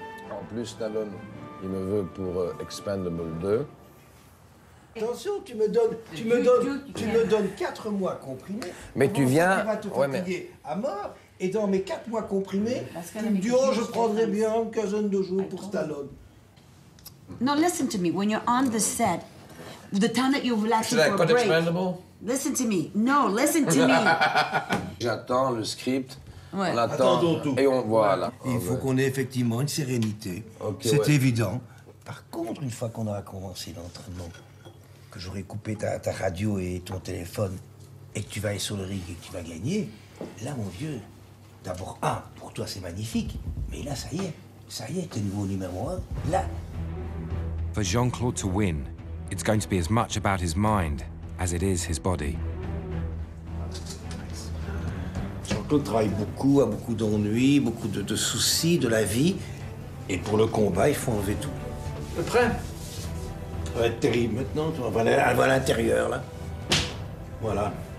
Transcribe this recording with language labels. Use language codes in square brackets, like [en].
[fr] En plus, Stallone, il me veut pour Expendable 2. Attention, tu me donnes 4 mois comprimés. Mais tu viens... Tu vas te fatiguer à mort. Et dans mes 4 mois comprimés, tu me dis, oh, je prendrai bien une quinzaine de jours pour Stallone. [en] Now listen to me, when you're on the set, the time that you're relaxing should for I a break... Expendable? Listen to me. No, listen to me. [fr] J'attends le script. Ouais. On attend tout. Et on voit là. Il faut qu'on ait effectivement une sérénité. Okay, c'est ouais. Évident. Par contre, une fois qu'on aura commencé l'entraînement, que j'aurai coupé ta radio et ton téléphone, et que tu vas aller sur le ring et que tu vas gagner, là, mon vieux, d'abord, pour toi, c'est magnifique. Mais là, ça y est, t'es nouveau numéro 1. Là. [en] For Jean-Claude to win, it's going to be as much about his mind as it is his body. [fr] Jean-Claude travaille beaucoup, a beaucoup d'ennuis, beaucoup de soucis de la vie. Et pour le combat, il faut enlever tout. Prêt? Ça va être terrible maintenant. On va aller à l'intérieur, là. Voilà.